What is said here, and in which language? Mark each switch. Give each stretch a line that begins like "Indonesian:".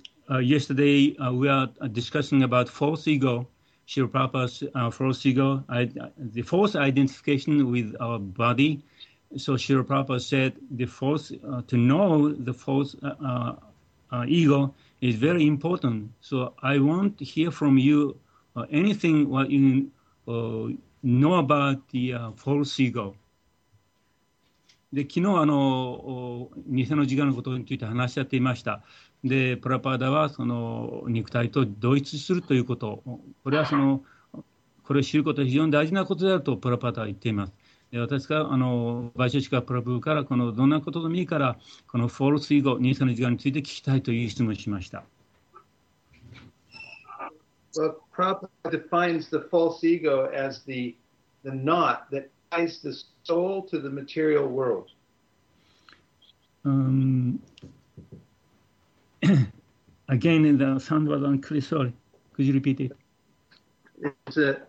English: Yesterday, we are discussing about false ego, Srila Prabhupada's false ego, the false identification with our body. So Srila Prabhupada said the false, to know the false ego is very important. So I want to hear from you anything what you know about the false ego.
Japanese: で昨日偽の自我のことについて話し合っていました。でプラパーダはその肉体と同一するということ、これはそのこれを知ることは非常に大事なことであるとプラパーダは言っています。私がバイシャシカプラブーからこのどんなことでもいいからこのフォールスイゴ、ニーサの時間について聞きたいという質問をしました。
English: Well, Prabhupada defines the false ego as the knot that ties the soul to the material world. Again, the sound was unclear, sorry. Could you repeat it?